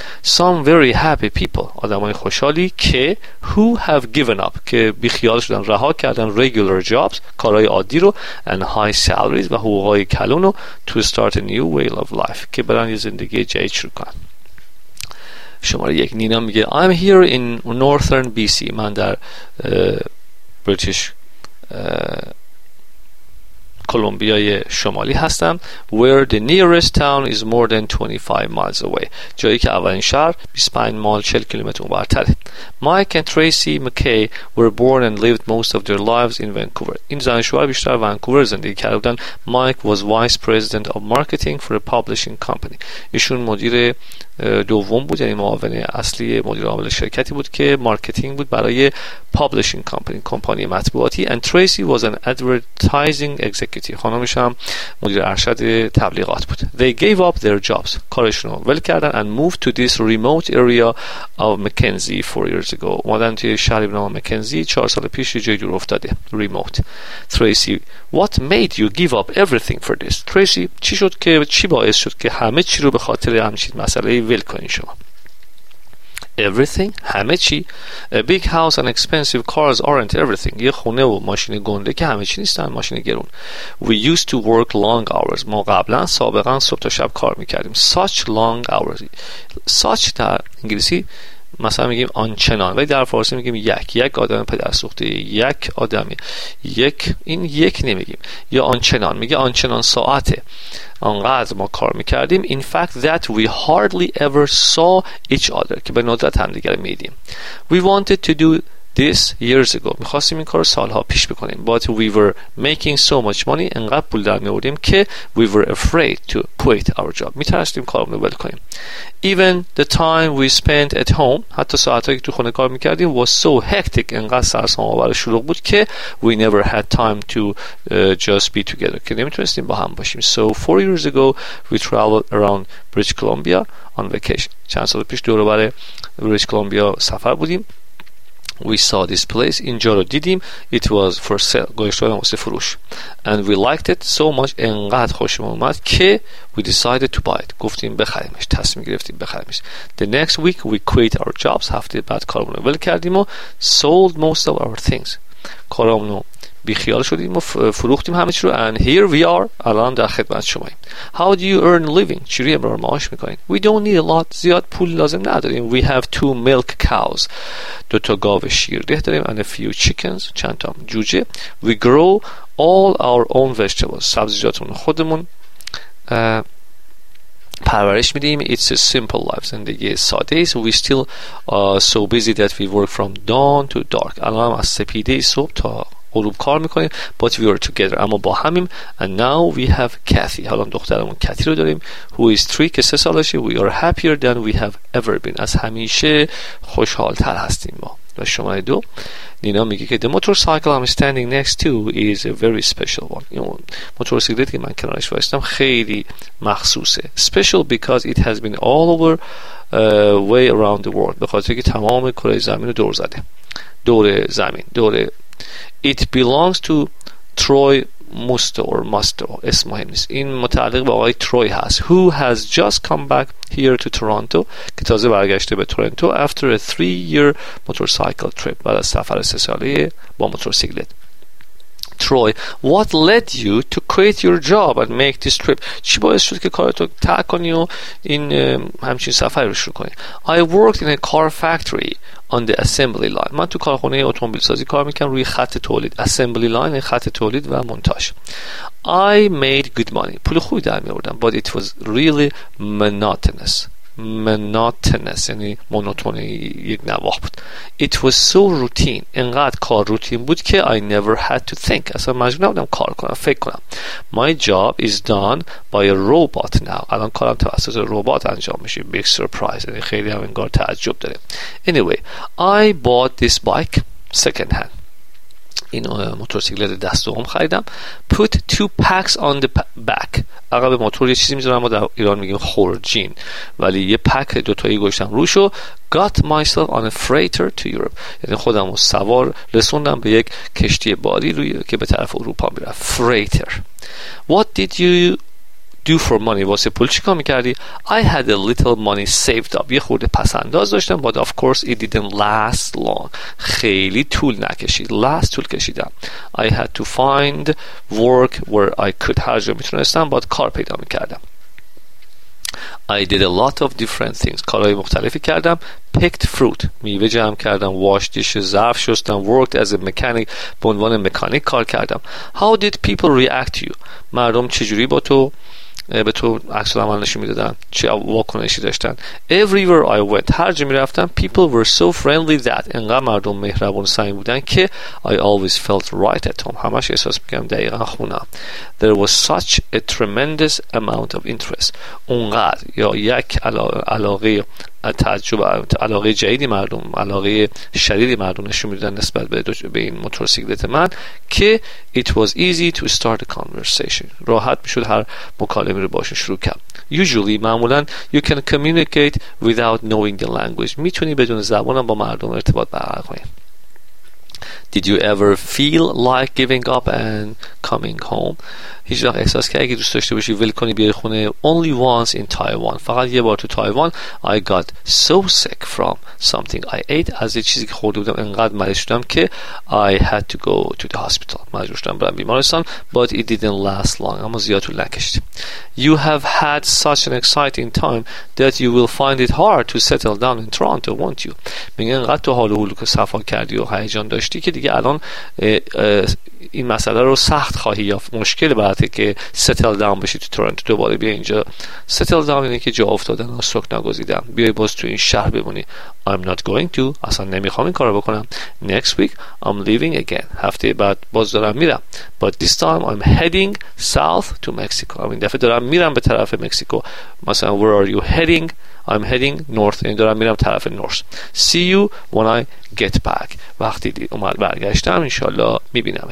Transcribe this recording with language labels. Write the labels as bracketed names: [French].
[English] Some very happy people، [Persian] آدم های خوشحالی که [English] who have given up، [Persian] که بیخیال شدن، رها کردن [English] regular jobs، [Persian] کارهای عادی رو، [English] and high salaries، [Persian] و حقوقهای کلون رو، [English] to start a new way of life، [Persian] که برن یه زندگی جدید شروع کنن. شماره یک، نینا میگه [English] I'm here in northern BC، [Persian] من در بریتیش کولومبیای شمالی هستم. [English] Where the nearest town is more than 25 miles away، [Persian] جایی که اولین شهر 25 مایل 40 کیلومتر اونورتره. [English] Mike and Tracy McKay were born and lived most of their lives in Vancouver. [Persian] این زن شوهر بیشتر ونکوور زندگی کرده بودن. [English] Mike was vice president of marketing for a publishing company. [Persian] ایشون مدیر دوم بود، یعنی معاون اصلی مدیر عامل شرکتی بود که مارکتینگ بود برای پابلشینگ کمپانی، کمپانی مطبوعاتی. [English] And Tracy was an advertising executive، [Persian] خانمش هم مدیر ارشد تبلیغات بود. [English] They gave up their jobs، [Persian] کارشون رو ول کردن، [English] and moved to this remote area of McKenzie 4 years ago، [Persian] اومدن توی شهر به نام مکنزی 4 سال پیش، جای دور افتاده، [English] remote. [Persian] Tracy، [English] what made you give up everything for this؟ [Persian] Tracy، چی شد که، چی باعث شد که همه چی رو به خاطر همچین مسئله ول کنین شما؟ Everything، همه چی. [English] A big house and expensive cars aren't everything، [Persian] یه خونه و ماشین گنده که همه چی نیستن، ماشین گرون. [English] We used to work long hours، [Persian] ما قبلا سابقا صبح تا شب کار میکردیم. [English] Such long hours، [Persian] such در انگلیسی مثلا میگیم آنچنان، ولی در فارسی میگیم یک، یک آدم پدرسوخته، یک آدمی، یک، این یک نمیگیم، یا آنچنان، میگه آنچنان ساعته، انقدر ما کار میکردیم. [English] In fact that we hardly ever saw each other، [Persian] که به ندرت هم دیگر میدیم. [English] We wanted to do this years ago، [Persian] میخواستیم این کار سالها پیش بکنیم. [English] But we were making so much money، [Persian] انقدر پول در میوردیم که [English] we were afraid to quit our job، [Persian] میترسیم کارمونو ول کنیم. [English] Even the time we spent at home، [Persian] حتی ساعتایی که تو خونه کار میکردیم، [English] was so hectic، [Persian] انقدر سرسام آور شلوغ بود که [English] we never had time to just be together، [Persian] که نمیتونستیم با هم باشیم. [English] So 4 years ago we traveled around British Columbia on vacation، [Persian] چند سال پیش دور بر British Columbia سفر بودیم. [English] We saw this place، [Persian] اینجا رو دیدیم. [English] It was for sale، [Persian] گوشت بودم واسه فروش. [English] And we liked it so much، [Persian] انقدر خوشم اومد که [English] we decided to buy it، [Persian] گفتیم بخریمش، تصمیم گرفتیم بخریمش. [English] The next week we quit our jobs، [Persian] هفته بعد کارمون رو ول کردیم و [English] sold most of our things، [Persian] کارمون رو بیخیال شدیم و فروختیم همه چی رو. [English] And here we are، [Persian] الان در خدمت شماییم. [English] How do you earn a living، [Persian] چجوری امرار معاش میکنین؟ [English] We don't need a lot، [Persian] زیاد پول لازم نداریم. [English] We have two milk cows، [Persian] دو تا گاو شیرده داریم. [English] And a few chickens، [Persian] چند تا جوجه. [English] We grow all our own vegetables، [Persian] سبزیجاتمون خودمون پرورش میدیم. [English] It's a simple life، [Persian] زندگی ساده است. [English] We still so busy that we work from dawn to dark، [Persian] الان هم از سپیده صبح تا غروب کار میکنیم. [English] But we are together، [Persian] اما با همیم. [English] And now we have Kathy، [Persian] حالا دخترمون کتی رو داریم. [English] Who is 3، [Persian] که 3 سالشه. [English] We are happier than we have ever been، [Persian] از همیشه خوشحال تر هستیم ما. و شماره دو، نینا میگه که [English] The motorcycle I'm standing next to is a very special one، [Persian] این موتورسیکلتی که من کنارش وایستم خیلی مخصوصه. [English] Special because it has been all over way around the world، [Persian] به خاطر که تمام کره زمین رو دور زده، دور زمین، دور. [English] It belongs to Troy Musto or Musto، [Persian] اسم مهم نیست، این متعلق به آقای تروی هست. [English] Who has just come back here to Toronto، [Persian] که تازه برگشته به تورنتو. [English] After a 3-year motorcycle trip، [Persian] بعد از سفر 3 ساله با موتورسیکلت. تروی. [English] What led you to quit your job and make this trip؟ [Persian] چی باعث شد که کارتو ترک کنی و این همچین سفر رو شروع کنی؟ [English] I worked in a car factory on the assembly line. [Persian] من تو کارخونه اتومبیل سازی کار میکنم روی خط تولید. Assembly line، خط تولید و مونتاژ. [English] I made good money. [Persian] پول خوبی در میآوردم. [English] But it was really monotonous. [Persian] Monotonous یعنی مونوتونی یک نواح بود. [English] It was so routine. [Persian] انقدر کار روتین بود که [English] I never had to think. [Persian] اصلا مجبور نبودم کار کنم، فکر کنم. [English] My job is done by a robot now. [Persian] الان کارم توسط ربات انجام میشه. [English] Big surprise. [Persian] یعنی خیلی هم انگار تعجب داره. [English] Anyway, I bought this bike second hand. [Persian] این موتورسیکلت دستم خریدم. [English] Put two packs on the back. [Persian] عقب موتور یه چیزی میذارم، ما در ایران میگیم خورجین، ولی یه پک دوتایی گوشتم روشو. [English] Got myself on a freighter to Europe. [Persian] یعنی خودم رو سوار رسوندم به یک کشتی باری روی که به طرف اروپا میره. [English] Freighter. What did you do for money؟ [Persian] واسه پول چی کار میکردی؟ [English] I had a little money saved up. [Persian] یه خورده پس انداز داشتم. [English] But of course it didn't last long. [Persian] خیلی طول نکشید. Last طول کشیدم. [English] I had to find work where I could. [Persian] هر جا میتونستم باید کار پیدا میکردم. [English] I did a lot of different things. [Persian] کارهای مختلفی کردم. [English] Picked fruit. [Persian] میوه جمع کردم. [English] Washed dishes. [Persian] ظرف شستم. [English] Worked as a mechanic. [Persian] به عنوان مکانیک کار کردم. [English] How did people react to you؟ [Persian] مردم چجوری با تو؟ به تو عکس العمل نشون میدادن، چه واکنشی داشتن. [English] Everywhere I went، [Persian] هر جا میرفتم، [English] people were so friendly that، [Persian] انقدر مردم مهربون سمیم بودن که [English] I always felt right at home، [Persian] همش احساس میکنم دقیقا خونه. [English] There was such a tremendous amount of interest، [Persian] اونقدر یا یک علاقه تعجب، علاقه جدیدی مردم، علاقه شدیدی مردم نشون میدادن نسبت به این موتورسیکلت من که [English] it was easy to start a conversation، [Persian] راحت میشد هر مکالمه رو باشه شروع کرد. Usually معمولا [English] you can communicate without knowing the language، [Persian] میتونی بدون زبانم با مردم ارتباط برقرار کنی. [English] Did you ever feel like giving up and coming home؟ [Persian] هیچ وقت احساس کردی که دوست داشته باشی ول کنی بیای خونه؟ [English] Only once in Taiwan. [Persian] فقط یه بار تو تایوان. [English] I got so sick from something I ate. [Persian] از یه چیزی که خورده بودم انقدر مریض شدم که [English] I had to go to the hospital. [Persian] مجبور شدم برم بیمارستان. [English] But it didn't last long. [Persian] اما زیاد طول نکشید. [English] You have had such an exciting time that you will find it hard to settle down in Toronto, won't you؟ [Persian] میگه انقدر تو حال و حلو که صفا کردی و هیجان داشتی که دیگه الان این مسئله رو سخت خواهی یافت، مشکل برات که settle down بشی تو تورنتو، دوباره بیا اینجا. settle down اینه که جا افتادن و سکنا گزیدن، بیای باز تو این شهر بمونی. [English] I'm not going to، [Persian] اصلا نمیخوام این کار رو بکنم. [English] next week I'm leaving again، [Persian] هفته بعد باز دارم میرم. [English] but this time I'm heading south to Mexico، [Persian] این دفعه دارم میرم به طرف مکزیکو. [English] مثلا where are you heading؟ I'm heading north، [Persian] این دارم میرم طرف [English] north. see you when I get back، [Persian] وقتی اومد برگشتم انشالله میبینمتون.